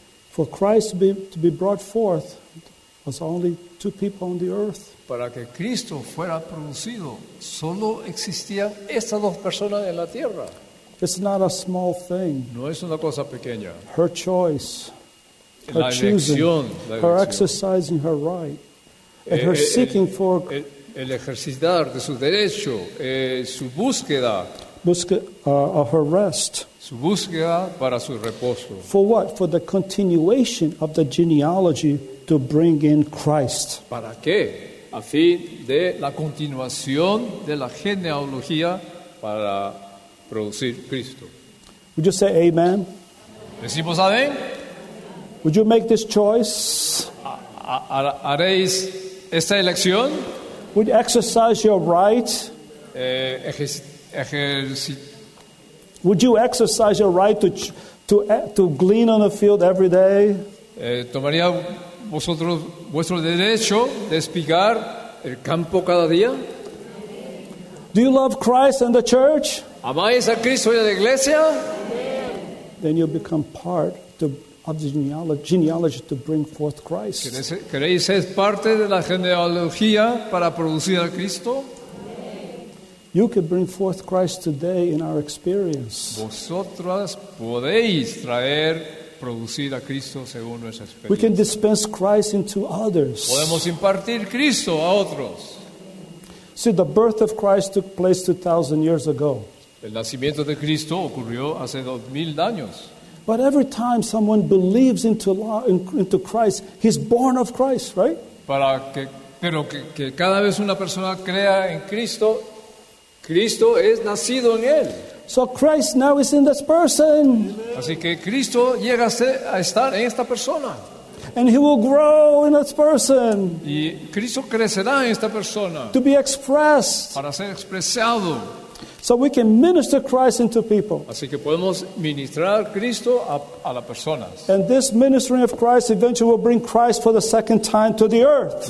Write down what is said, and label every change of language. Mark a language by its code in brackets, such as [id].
[en] For Christ to be brought forth was only two people on the earth. [es] Para que Cristo fuera producido, solo existían estas dos personas en la tierra. [en] It's not a small thing. [es] No es una cosa pequeña. [en] Her choice, her [es] la elección, [en] choosing, [es] la elección. [en] Her exercising her right, and her seeking for [es] el ejercitar de su derecho, su búsqueda, [en] of her rest, [es] su búsqueda para su reposo. [en] For what? For the continuation of the genealogy to bring in Christ. [es] ¿Para qué? A fin de la continuación de la genealogía para producir Cristo. [en] Would you say amen? [es] ¿Decimos amén? [en] Would you make this choice? [es] ¿Haréis esta elección? [en] Would you exercise your right? Would you exercise your right to glean on the field every day? [es] ¿Tomaría vosotros vuestro derecho de espigar el campo cada día? [en] Do you love Christ and the church? [es] ¿Amáis a Cristo y a la iglesia? [en] Then you become part of the genealogy to bring forth Christ. [es] ¿Queréis ser parte de la genealogía para producir a Cristo? [en] You can bring forth Christ today in our experience. [es] Vosotras podéis traer, producir a Cristo según nuestra experiencia. [en] We can dispense Christ into others. [es] Podemos impartir Cristo a otros. [en] See, the birth of Christ took place 2,000 years ago. [es] El nacimiento de Cristo ocurrió hace 2,000 años. [en] But every time someone believes into Christ, he's born of Christ, right? [es] Para que, pero que cada vez una persona crea en Cristo, Cristo es nacido en él. [en] So Christ now is in this person. [es] Así que Cristo llega a estar en esta persona. [en] And he will grow in this person. [es] Y Cristo crecerá en esta persona. [en] To be expressed. [es] Para ser expresado. [en] So we can minister Christ into people. [es] Así que podemos ministrar Cristo a las personas. [en] And this ministering of Christ eventually will bring Christ for the second time to the earth.